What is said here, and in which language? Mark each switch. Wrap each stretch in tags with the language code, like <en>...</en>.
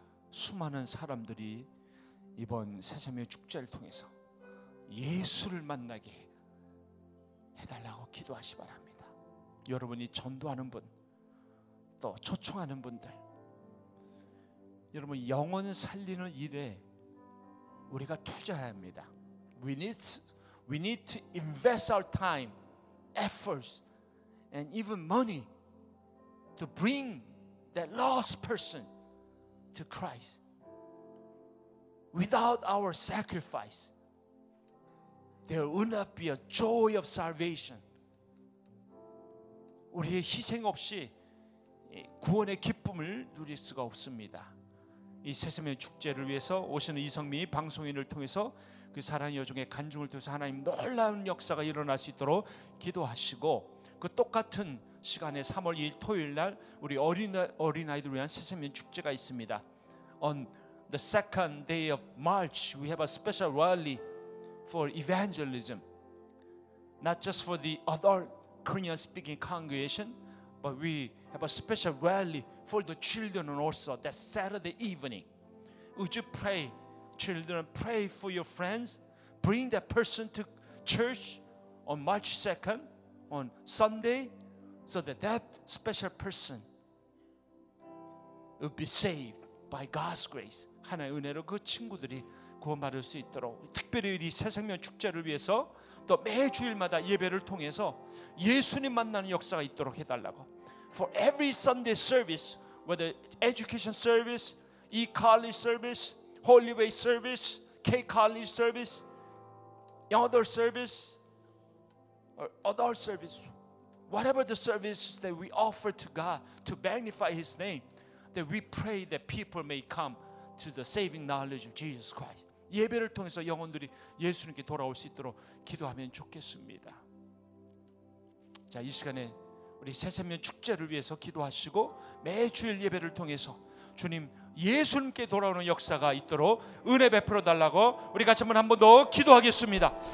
<ko>수많은 사람들이 이번 새 생명 축제를 통해서 예수를 만나게 해달라고 기도하시 바랍니다. 여러분이 전도하는 분, 또 초청하는 분들, 여러분 영혼 살리는 일에 우리가 투자해야 합니다.</ko> <en>We need to invest our time, efforts, and even money to bring that lost person to Christ. Without our sacrifice, there would not be a joy of salvation.</en> <ko>우리의 희생 없이 구원의 기쁨을 누릴 수가 없습니다. 이 새삼의 축제를 위해서 오시는 이성미 방송인을 통해서 그 사랑의 여종의 간증을 통해서 하나님 놀라운 역사가 일어날 수 있도록 기도하시고, 그 똑같은 시간에 3월 2일 토요일 날 우리 어린아이들 위한 새삼의 축제가 있습니다.</ko> <en>On the second day of March, we have a special rally for evangelism. Not just for the adult Korean speaking congregation, but we have a special rally for the children also that Saturday evening. Would you pray, children, pray for your friends, bring that person to church on March 2nd on Sunday so that that special person will be saved by God's grace.</en> <ko>하나님의 은혜로 그 친구들이 구원받을 수 있도록, 특별히 우리 새생명 축제를 위해서 또 매주일마다 예배를 통해서 예수님 만나는 역사가 있도록 해달라고.</ko> <en>For every Sunday service, whether education service, e-college service, Holy Way service, K-college service, other service, or other service, whatever the service that we offer to God to magnify His name, that we pray that people may come to the saving knowledge of Jesus Christ.</en> <ko>예배를 통해서 영혼들이 예수님께 돌아올 수 있도록 기도하면 좋겠습니다. 자, 이 시간에 우리 새삼년 축제를 위해서 기도하시고 매주일 예배를 통해서 주님 예수님께 돌아오는 역사가 있도록 은혜 베풀어 달라고 우리 같이 한번 더 기도하겠습니다.</ko>